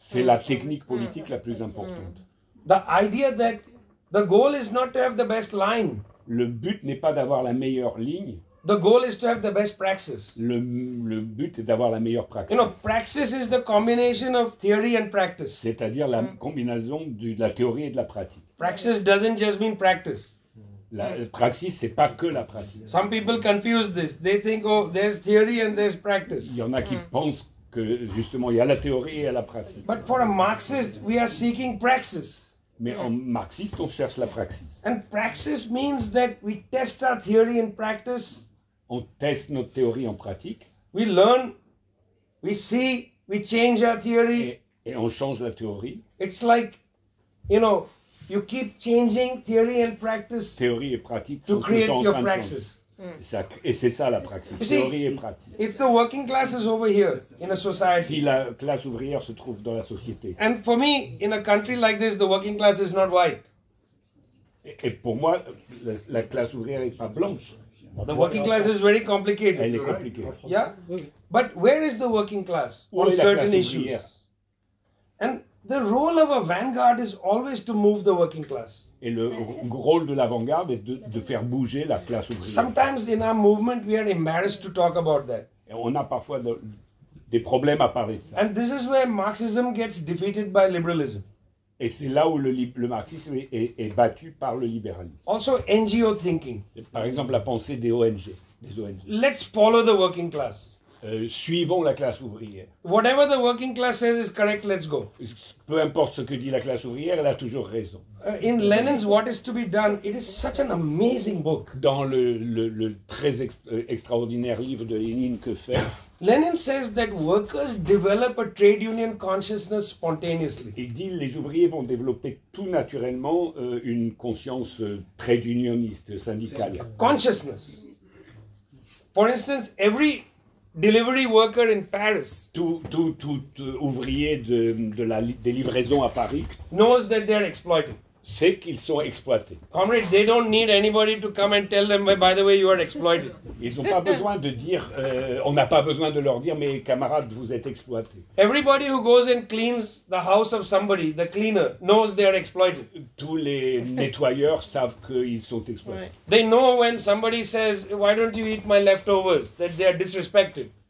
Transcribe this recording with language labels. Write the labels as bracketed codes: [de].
[fr] C'est la technique politique la plus importante. [en] The idea that the goal is not to have the best line. [fr] Le but n'est pas d'avoir la meilleure ligne. [en] The goal is to have the best praxis. [fr] Le but est d'avoir la meilleure praxis. [en] You know, praxis is the combination of theory and practice. [fr] C'est-à-dire la combinaison de la théorie et de la pratique. [en] Praxis doesn't just mean practice. [fr] La praxis, c'est pas que la pratique. [en] Some people confuse this. They think, oh, there's theory and there's practice. [fr] Il y en a qui pensent que justement il y a la théorie et la pratique. [en] But for a Marxist, we are seeking praxis. [fr] Mais en marxiste, on cherche la praxis. [en] And praxis means that we test our theory in practice. [fr] On teste notre théorie en pratique. [en] We learn We see, we change our theory. [fr] Et on change la théorie. [en] It's like, you know, you keep changing theory and practice. [fr] Théorie et pratique. [en] To create your praxis. [fr] Et c'est ça la praxis. Théorie et pratique. [en] If the working class is over here in a society. [fr] Si la classe ouvrière se trouve dans la société. [en] And for me, in a country like this, the working class is not white. [fr] Et pour moi, la classe ouvrière n'est pas blanche. [en] The working class is very complicated. [fr] Elle est compliquée. [en] Yeah? But where is the working class on certain issues? And the role of a vanguard is always to move the working class. [fr] Et le rôle de l'avant-garde est de faire bouger la classe ouvrière. [en] Sometimes in our movement we are embarrassed to talk about that. [fr] Et on a parfois des problèmes à parler de ça. [en] And this is where Marxism gets defeated by liberalism. [fr] Et c'est là où le marxisme est battu par le libéralisme. [en] Also NGO thinking. [fr] Par exemple la pensée des ONG. [en] Let's follow the working class. [fr] Suivons la classe ouvrière. [en] Whatever the working class says is correct, let's go. [fr] Peu importe ce que dit la classe ouvrière, elle a toujours raison. [en] In Lenin's What is to be Done, it is such an amazing book. [fr] Dans le très extraordinaire livre de Lénine, Que faire? [en] Lenin says that workers develop a trade union consciousness spontaneously. [fr] Il dit les ouvriers vont développer tout naturellement une conscience trade unioniste syndicale. [en] Consciousness. For instance, every delivery worker in Paris. [fr] Tout ouvrier des livraisons à Paris [en] knows that they're exploited. [fr] Sait qu'ils sont exploités. [en] Comrade, they don't need anybody to come and tell them, by the way, you are exploited. [fr] Ils n'ont pas besoin de dire, on n'a pas besoin de leur dire, mes camarades, vous êtes exploités. [en] Everybody who goes and cleans the house of somebody, the cleaner, knows they are exploited. [fr] Tous les nettoyeurs savent qu'ils sont exploités. [en] Right. They know when somebody says, why don't you eat my leftovers, that they are disrespected.